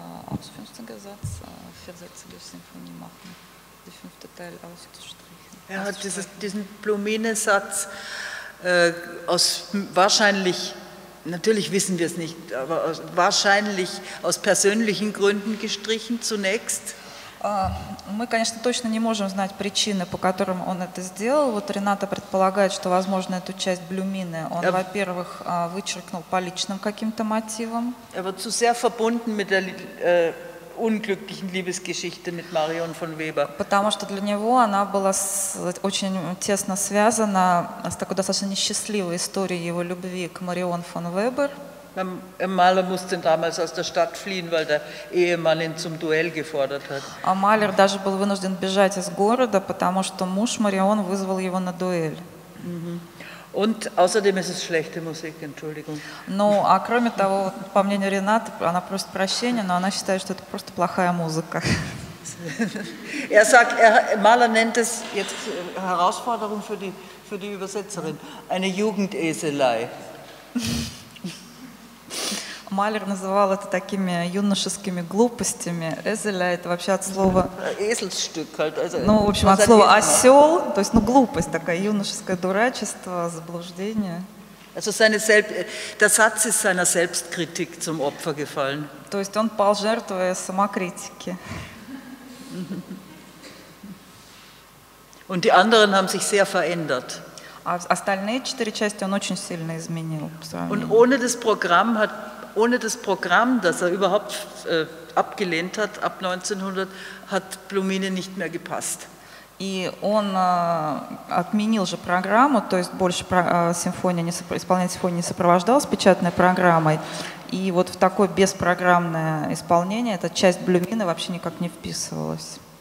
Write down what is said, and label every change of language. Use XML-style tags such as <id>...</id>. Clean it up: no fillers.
<de>Aus fünfter Satz, vier Sätze der Symphonie machen, der fünfte Teil auszustrichen. Er hat diesen Blumine-Satz aus wahrscheinlich, natürlich wissen wir es nicht, aber wahrscheinlich aus persönlichen Gründen gestrichen zunächst.</de> <ru>Мы, конечно, точно не можем знать причины, по которым он это сделал. Вот Рената предполагает, что, возможно, эту часть блюмины он, во-первых, вычеркнул по личным каким-то мотивам.</ru> <de>Er war zu sehr verbunden mit der unglücklichen Liebesgeschichte mit Marion von Weber.</de> <ru>Потому что для него она была очень тесно связана с такой достаточно несчастливой историей его любви к Марион фон Вебер.</ru> <de>Maler musste damals aus der Stadt fliehen, weil der Ehemann ihn zum Duell gefordert hat.</de> <ru>А Малер даже был вынужден бежать из города, потому что муж Марион вызвал его на дуэль.</ru> <de>Und außerdem ist es schlechte Musik, Entschuldigung.</de> <ru>Ну, а кроме того, по мнению Ренаты, она просит прощения, но она считает, что это просто плохая музыка.</ru> <de>Er sagt, Maler nennt es jetzt Herausforderung für die Übersetzerin, eine Jugendeselei.</de> <ru>Малер называл это такими юношескими глупостями. Эзеля – это вообще от слова…</ru> <de>Эзельштюк.</de> <ru>Ну, в общем, от слова осел, то есть, ну, глупость такая, юношеское дурачество, заблуждение.</ru> <de>Der Satz ist seiner Selbstkritik zum Opfer gefallen.</de> <ru>То есть он пал жертвой самокритики.</ru> <de>Und die anderen haben sich sehr verändert.</de> <ru>А остальные четыре части он очень сильно изменил.</ru> <de>Und ohne das Programm hat, ohne das Programm, das er überhaupt abgelehnt hat, ab 1900, hat Blumine nicht mehr gepasst.</de> <ru>И он отменил же программу, то есть больше симфония не исполнять симфонии не сопровождалась печатной программой. И вот в такое беспрограммное исполнение эта часть Блюмина вообще никак не вписывалась.</ru>